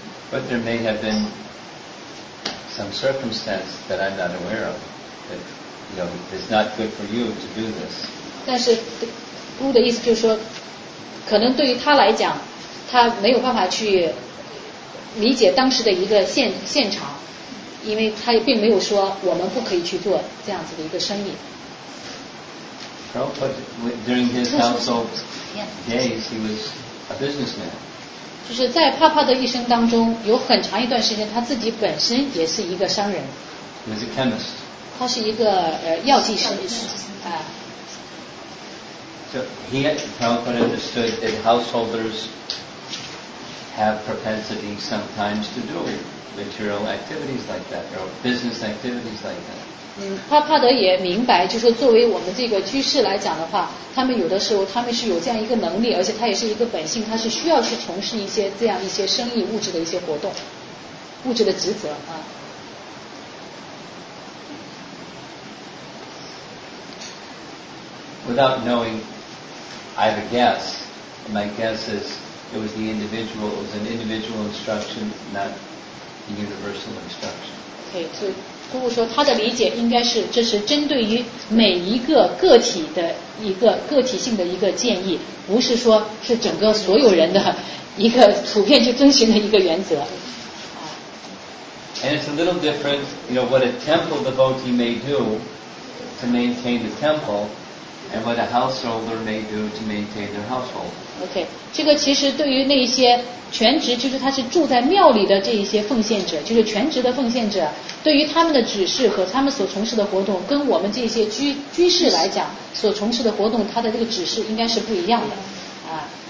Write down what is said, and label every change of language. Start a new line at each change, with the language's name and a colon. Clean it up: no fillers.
English: But there may have been some circumstance that I'm not aware of that, you know, it's not good for you to do this.
Chinese: 但是，姑的意思就是说，可能对于他来讲，他没有办法去。理解当时的一个现场，因为他也并没有说我们不可以去做这样子的一个生意。
English: Prabhupada, during his council days, he was a businessman.
Chinese: 就是在帕帕的一生当中，有很长一段时间，他自己本身也是一个商人。
English: He was a chemist.
Chinese: 他是一个药剂师啊。
English: So he, Prabhupada, understood that householders. Have propensity sometimes to do material activities like that or business activities like that.
Chinese: 帕德也明白，就是作为我们这个居士来讲的话，他们有的时候他们是有这样一个能力，而且他也是一个本性，他是需要去从事一些这样一些生意、物质的一些活动、物质的职责啊。
English: Without knowing, I have a guess. My guess is. It was the individual. It was an individual instruction, not a universal instruction.
Chinese: Okay, so 姑姑说她的理解应该是这是针对于每一个个体的一个个体性的一个建议，不是说是整个所有人的一个普遍去遵循的一个原则。
English: And it's a little different, you know, what a temple devotee may do to maintain the temple. And what a householder may do to maintain their household.
Chinese: Okay, 这个其实对于那些全职，就是他是住在庙里的这一些奉献者，就是全职的奉献者，对于他们的指示和他们所从事的活动，跟我们这些居士来讲，所从事的活动，他的这个指示应该是不一样的。啊。